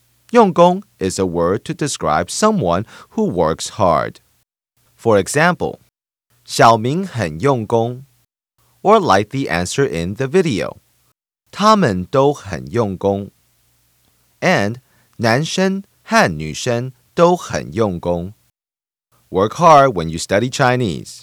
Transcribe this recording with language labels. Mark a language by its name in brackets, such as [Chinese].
[English] 用功 is a word to describe someone who works hard. For example, 小明 [Chinese] 很用功。 [English] Or like the answer in the video, [Chinese] 他们都很用功。 [English] And [Chinese] 男生和女生都很用功。 [English] Work hard when you study Chinese.